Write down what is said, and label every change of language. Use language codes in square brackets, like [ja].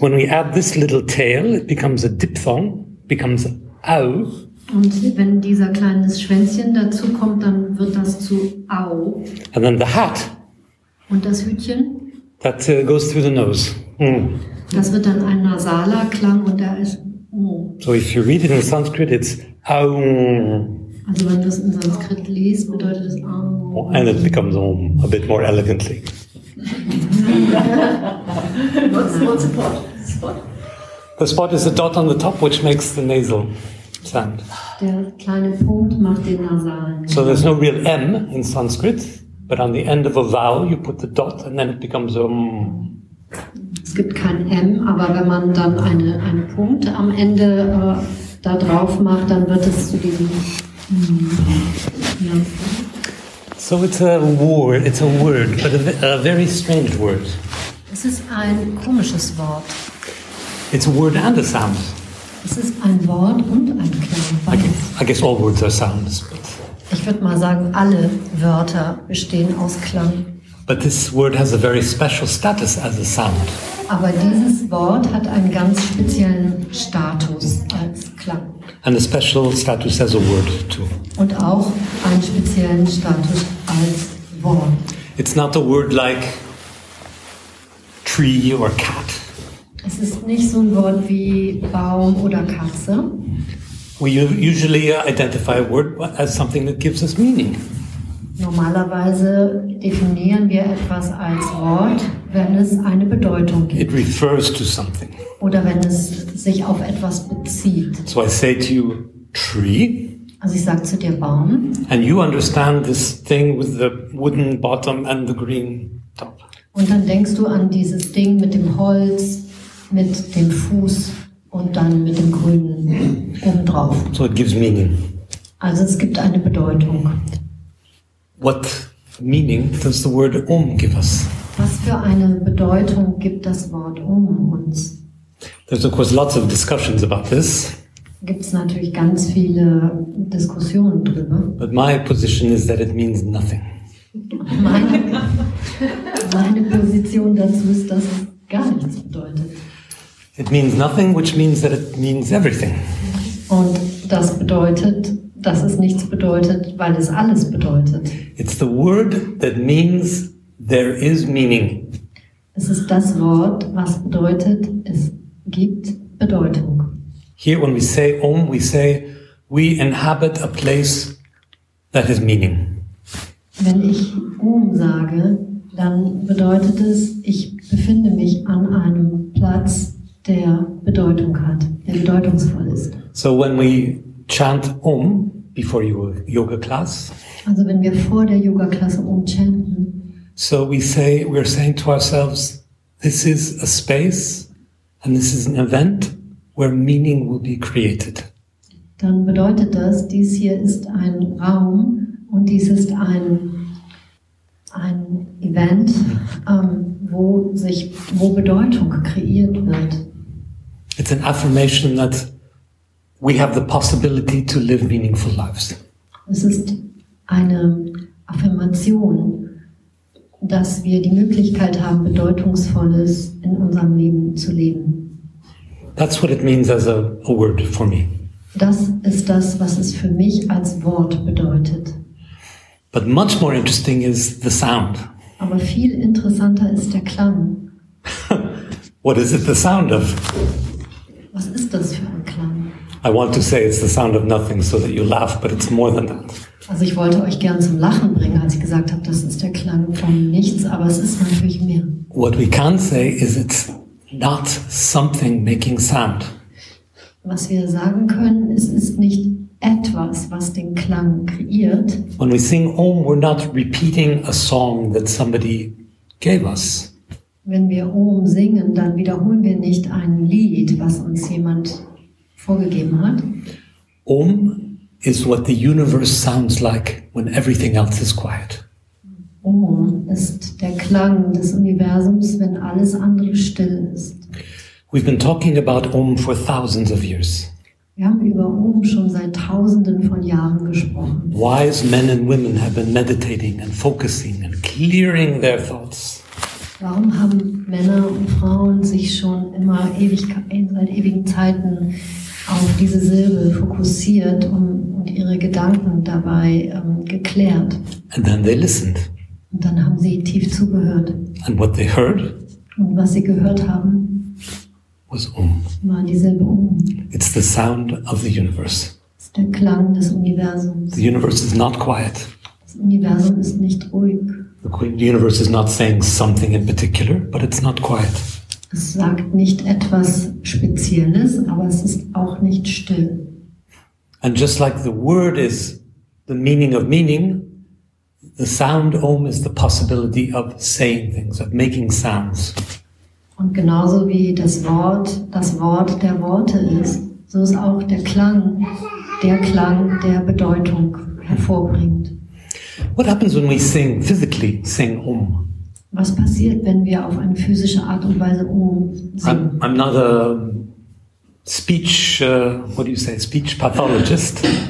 [en] When we add this little tail, it becomes a diphthong, becomes Au. [de] Und wenn dieser kleine Schwänzchen dazu kommt, dann wird das zu Au. [en] And then the hat. [de] Und das Hütchen? [en] That goes through the nose. Mm. [de] Das wird dann ein nasaler Klang und da ist O. [en] So if you read it in Sanskrit, it's Au. [de] Also wenn du es in Sanskrit liest, bedeutet es Au. [en] And it becomes Om a bit more elegantly. What's the pot? The spot is the dot on the top, which makes the nasal sound. [de] Der kleine Punkt macht den nasalen. [en] So there's no real M in Sanskrit, but on the end of a vowel you put the dot and then it becomes a M. [de] Es gibt kein M, aber wenn man dann einen Punkt am Ende da drauf macht, dann wird es zu diesem M. [en] So it's a word, but a very strange word. [de] Es ist ein komisches Wort. [en] It's a word and a sound. [de] Es ist ein Wort und ein Klang. [en] I guess all words are sounds. [de] Ich würde mal sagen, alle Wörter bestehen aus Klang. [en] But this word has a very special status as a sound. [de] Aber dieses Wort hat einen ganz speziellen Status als Klang. [en] And a special status as a word too. [de] Und auch einen speziellen Status als Wort. [en] It's not a word like tree or cat. [de] Es ist nicht so ein Wort wie Baum oder Katze. [en] We usually identify a word as something that gives us meaning. [de] Normalerweise definieren wir etwas als Wort, wenn es eine Bedeutung gibt. [en] It refers to something. [de] Oder wenn es sich auf etwas bezieht. [en] So I say to you, tree. [de] Also ich sage zu dir, Baum. [en] And you understand this thing with the wooden bottom and the green top. [de] Und dann denkst du an dieses Ding mit dem Holz, mit dem Fuß und dann mit dem grünen oben drauf. [en] So it gives meaning. [de] Also es gibt eine Bedeutung. [en] What meaning does the word om give us? [de] Was für eine Bedeutung gibt das Wort om uns? [en] There's of course lots of discussions about this. [de] Gibt's natürlich ganz viele Diskussionen drüber. [en] But my position is that it means nothing. [de] Meine Position dazu ist, dass es gar nichts bedeutet. [en] It means nothing, which means that it means everything. [de] Und das bedeutet, dass es nichts bedeutet, weil es alles bedeutet. [en] It's the word that means there is meaning. [de] Es ist das Wort, was bedeutet, es gibt Bedeutung. [en] Here when we say om, we say we inhabit a place that has meaning. [de] Wenn ich om sage, dann bedeutet es, ich befinde mich an einem Platz, der Bedeutung hat, der bedeutungsvoll ist. [en] So when we chant om before your yoga class. [de] Also wenn wir vor der Yoga Klasse om chanten. [en] So we are saying to ourselves, this is a space and this is an event where meaning will be created. [de] Dann bedeutet das, dies hier ist ein Raum und dies ist ein Event, wo Bedeutung kreiert wird. [en] It's an affirmation that we have the possibility to live meaningful lives. [de] Es ist eine Affirmation, dass wir die Möglichkeit haben, Bedeutungsvolles in unserem Leben zu leben. [en] That's what it means as a word for me. [de] Das ist das, was es für mich als Wort bedeutet. [en] But much more interesting is the sound. [de] Aber viel interessanter ist der Klang. [en] What is it the sound of? [de] Was ist das für ein Klang? [en] I want to say it's the sound of nothing so that you laugh, but it's more than that. [de] Also ich wollte euch gern zum Lachen bringen, als ich gesagt habe, das ist der Klang von nichts, aber es ist natürlich mehr. [en] What we can say is it's not something making sound. [de] Was wir sagen können, es ist nicht etwas, was den Klang kreiert. [en] When we sing om, we're not repeating a song that somebody gave us. [de] Wenn wir om singen, dann wiederholen wir nicht ein Lied, was uns jemand vorgegeben hat. [en] Om is what the universe sounds like when everything else is quiet. [de] Om ist der Klang des Universums, wenn alles andere still ist. [en] We've been talking about Om for thousands of years. [de] Wir haben über Om schon seit tausenden von Jahren gesprochen. [en] Wise men and women have been meditating and focusing and clearing their thoughts. [de] Warum haben Männer und Frauen sich schon immer seit ewigen Zeiten auf diese Silbe fokussiert und ihre Gedanken dabei geklärt? [en] And then they listened. [de] Und dann haben sie tief zugehört. [en] And what they heard? [de] Und was sie gehört haben? [en] Was om. [de] War die Silbe om. [en] It's the sound of the universe. [de] Es ist der Klang des Universums. [en] The universe is not quiet. [de] Das Universum ist nicht ruhig. [en] The universe is not saying something in particular, but it's not quiet. [de] Es sagt nicht etwas Spezielles, aber es ist auch nicht still. [en] And just like the word is the meaning of meaning, the sound Om is the possibility of saying things, of making sounds. [de] Und genauso wie das Wort der Worte ist, so ist auch der Klang der Bedeutung hervorbringt. [en] What happens when we sing, physically sing Om? [de] Was passiert, wenn wir auf eine physische Art und Weise Om singen? [en] I'm not a speech, what do you say, speech pathologist.